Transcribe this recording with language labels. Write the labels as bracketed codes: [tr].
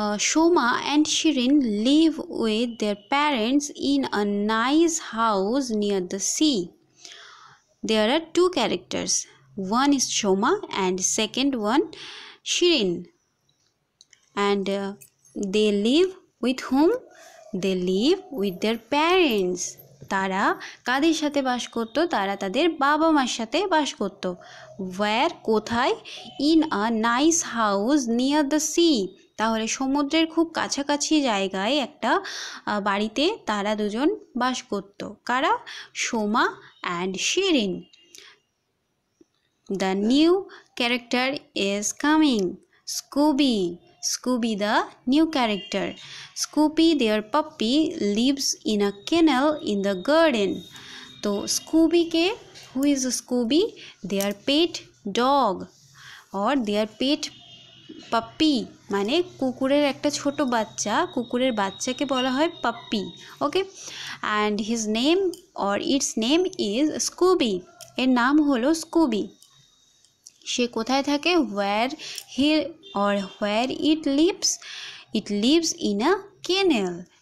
[en] Soma and Shirin live with their parents in a nice house near the sea. There are two characters, one is Soma and second one Shirin, and they live With whom? They live with their parents. [bn] তারা কাদের সাথে বাস করতো? তারা তাদের বাবা মার সাথে বাস করতো। [en] Where? [bn] কোথায়? [en] In a nice house near the sea. [bn] তাহলে সমুদ্রের খুব কাছাকাছি জায়গায় একটা বাড়িতে তারা দুজন বাস করতো। কারা? Soma and Shirin. [en] The new character is coming. Scooby. Scooby the new character. Scooby their puppy lives in a kennel in the garden. So Scooby ke, who is Scooby? Their pet dog or their pet puppy. [bn] মানে কুকুরের একটা ছোট বাচ্চা, কুকুরের বাচ্চাকে বলা হয় puppy. [en] Okay, and his name or its name is Scooby. [bn] এর নাম হলো স্কুবি। সে কোথায় থাকে? [en] Where he or where it lives? It lives in a kennel.